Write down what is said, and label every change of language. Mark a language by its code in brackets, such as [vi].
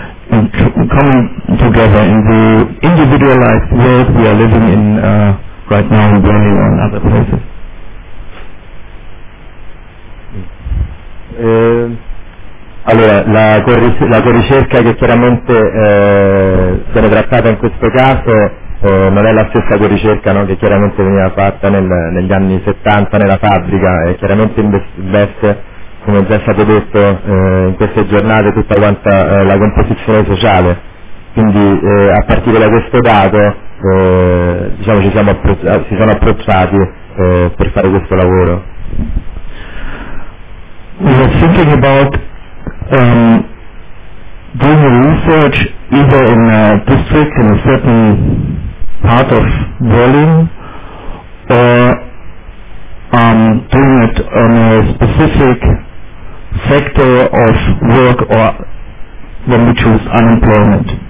[en] coming together in the individualized world we are living in right now in Berlin and other places. [it] Allora, la corricerca che chiaramente viene trattata in questo caso non è la stessa corricerca, no, che chiaramente veniva fatta negli anni 70 nella fabbrica, e chiaramente investe, come già è stato detto, in queste giornate tutta quanta la composizione sociale. Quindi a partire da questo dato diciamo si sono approcciati per fare questo lavoro. [en] We were thinking about doing research either in a district in a certain part of Berlin, or doing it on a specific sector of work, or when we choose unemployment.